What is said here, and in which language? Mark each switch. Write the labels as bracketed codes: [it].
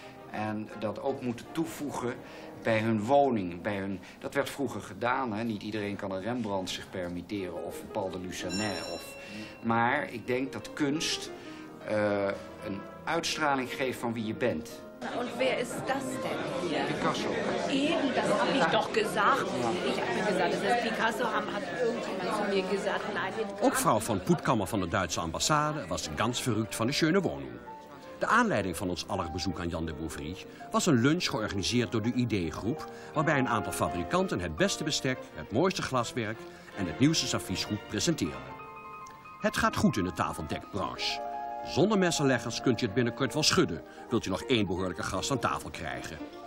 [nl] En dat ook moeten toevoegen bij hun woning. Dat werd vroeger gedaan. Hè? Niet iedereen kan een Rembrandt zich permitteren of een Paul de Lucenet. Maar ik denk dat kunst een uitstraling geeft van wie je bent. [de] Und wer ist das denn hier? Picasso. Eben, das habe ich doch gesagt. Ich habe mir gesagt, das ist Picasso, hat irgendjemand zu mir gesagt. [nl] Ook Frau von Puttkammer van de Duitse ambassade was [de] ganz verrückt [nl] van de [de] schöne Wohnung. [nl] De aanleiding van ons aller bezoek aan Jan de Hoevrie was een lunch georganiseerd door de ID-groep, waarbij een aantal fabrikanten het beste bestek, het mooiste glaswerk en het nieuwste serviesgoed presenteerden. Het gaat goed in de tafeldekbranche. Zonder messenleggers kunt je het binnenkort wel schudden, wilt je nog 1 behoorlijke gast aan tafel krijgen.